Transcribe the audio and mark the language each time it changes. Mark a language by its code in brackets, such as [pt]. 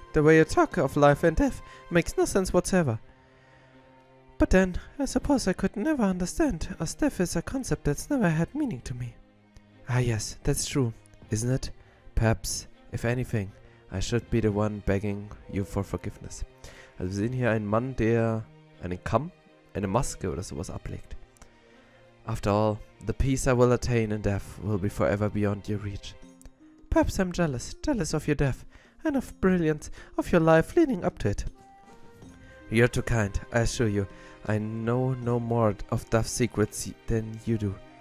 [en] The way you talk of life and death makes no sense whatsoever. But then, I suppose I could never understand, as death is a concept that's never had meaning to me. Ah yes, that's true, isn't it? Perhaps, if anything, I should be the one begging you for forgiveness. [de] Also wir sehen hier einen Mann, der einen Kamm, eine Maske oder sowas ablegt. [en] After all, the peace I will attain in death will be forever beyond your reach. Perhaps I'm jealous, jealous of your death, and of brilliance of your life leading up to it. You're too kind, I assure you. I know no more of death's secrets than you do.